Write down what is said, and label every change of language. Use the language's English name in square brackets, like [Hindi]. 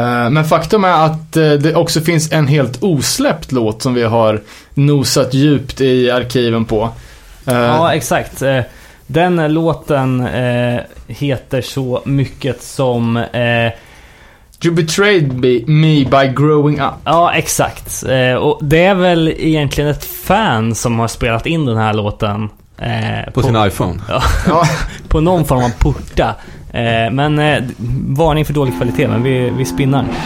[Swedish] Men faktum är att det också finns en helt osläppt låt som vi har nosat djupt i arkiven på. Ja, exakt. Den låten heter så mycket som... [English] You betrayed me by growing up. [Swedish] Ja, exakt. Och det är väl egentligen ett fan som har spelat in den här låten på sin iPhone. Ja, på någon form av porta. Men varning för dålig kvalitet, men vi spinnar.